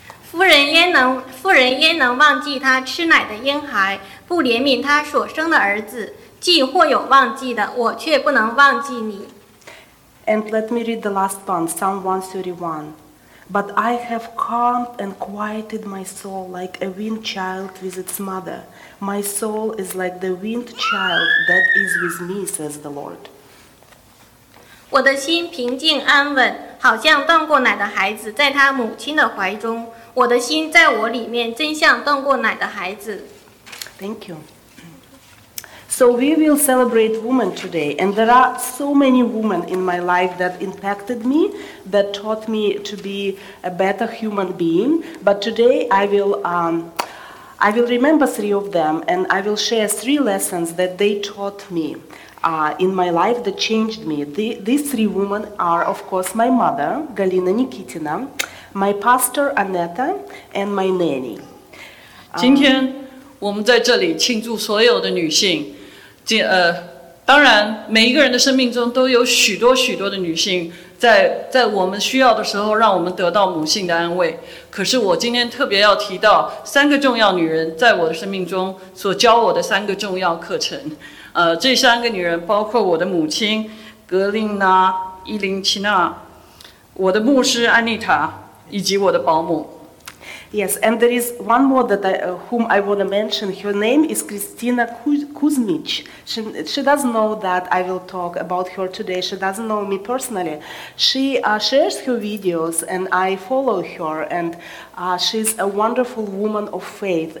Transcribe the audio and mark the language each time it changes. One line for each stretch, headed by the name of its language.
Chinese: 夫人焉能忘记她吃奶的婴孩，不怜悯她所生的儿子？既或有忘记的，我却不能忘记你。
English: And let me read the last one, Psalm 131. But I have calmed and quieted my soul like a wind child with its mother. My soul is like the wind child that is with me, says the Lord.
Chinese: 我的心平静安稳，好像断过奶的孩子在他母亲的怀中。我的心在我里面，真像断过奶的孩子。
English: Thank you. So we will celebrate women today, and there are so many women in my life that impacted me, that taught me to be a better human being. But today I will remember three of them, and I will share three lessons that they taught me in my life that changed me. These three women are, of course, my mother, Галина Никитина. My pastor Aneta and my nanny.
Chinese: 今天我们在这里庆祝所有的女性。当然，每一个人的生命中都有许多许多的女性在我们需要的时候，让我们得到母性的安慰。可是我今天特别要提到三个重要女人，在我的生命中所教我的三个重要课程。这三个女人包括我的母亲格林娜伊林奇娜，我的牧师安妮塔。以及我的保姆。
English: Yes, and there is one more that I, whom I want to mention. Her name is Kristina Kuzmic. She doesn't know that I will talk about her today. She doesn't know me personally. She shares her videos and I follow her. And she's a wonderful woman of faith.